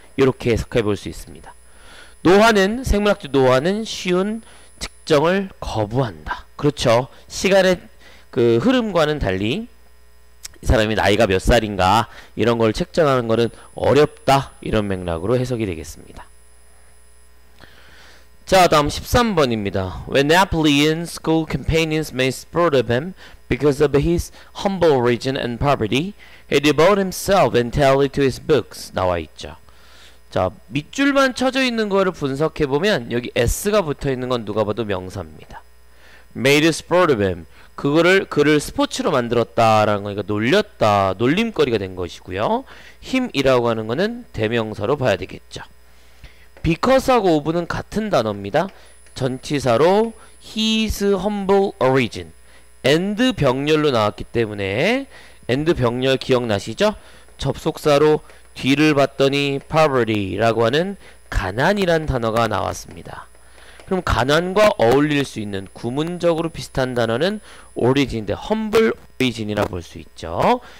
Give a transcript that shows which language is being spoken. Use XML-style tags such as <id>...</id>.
<ko>이렇게 해석해 볼 수 있습니다. 노화는, 생물학적 노화는 쉬운 측정을 거부한다. 그렇죠. 시간의 그 흐름과는 달리 이 사람이 나이가 몇 살인가 이런 걸 측정하는 것은 어렵다 이런 맥락으로 해석이 되겠습니다. 자, 다음 13번입니다.</ko> <en>When Napoleon's school companions made sport of him because of his humble origin and poverty, he devoted himself entirely to his books.</en> <ko>나와 있죠. 자, 밑줄만 쳐져 있는 거를 분석해 보면 여기 S가 붙어 있는 건 누가 봐도 명사입니다.</ko> <en>Made sport of him.</en> <ko>그거를 그를 스포츠로 만들었다라는 거니까 놀렸다, 놀림거리가 된 것이고요. Him이라고 하는 거는 대명사로 봐야 되겠죠. Because하고 of는 같은 단어입니다.</ko> <en>전치사로 his humble origin.</en> <ko>And 병렬로 나왔기 때문에 And 병렬 기억나시죠? 접속사로 뒤를 봤더니 poverty라고 하는 가난이란 단어가 나왔습니다. 그럼 가난과 어울릴 수 있는 구문적으로 비슷한 단어는 origin인데 humble origin이라 볼 수 있죠.</ko>